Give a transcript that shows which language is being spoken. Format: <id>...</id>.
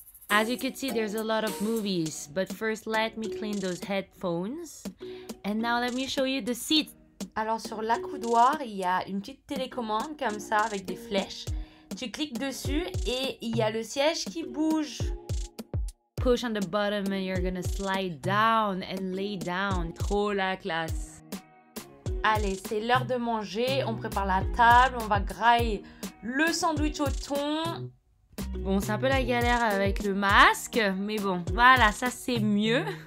<en>As you can see, there's a lot of movies. But first, let me clean those headphones. And now let me show you the seats.</en> <fr>Alors sur l'accoudoir, il y a une petite télécommande comme ça avec des flèches. Tu cliques dessus et il y a le siège qui bouge.</fr> <en>Push on the bottom and you're gonna slide down and lay down.</en> <fr>Trop la classe. Allez, c'est l'heure de manger. On prépare la table, on va grailler le sandwich au thon. Bon, c'est un peu la galère avec le masque, mais bon, voilà, ça c'est mieux.</fr>